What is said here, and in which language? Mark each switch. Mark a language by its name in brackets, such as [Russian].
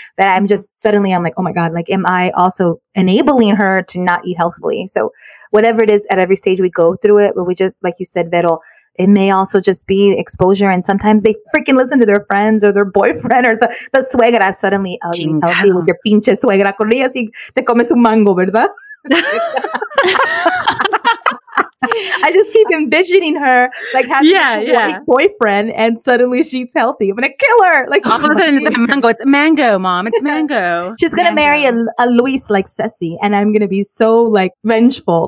[English] But I'm just suddenly I'm like, oh my God, like am I also enabling her to not eat healthily? So whatever it is, at every stage we go through it, but we just, like you said, Vettel, it may also just be exposure. And sometimes they freaking listen to their friends or their boyfriend or the suegra suddenly. Oh, you're healthy with your [Spanish] pinche suegra. Con ella si te comes un mango, ¿verdad? [English] I just keep envisioning her like having a boyfriend and suddenly she's healthy. I'm going to kill her. Like, all of a sudden, it's a mango, Mom. It's mango. She's going to marry a Luis like Ceci and I'm going to be so like vengeful.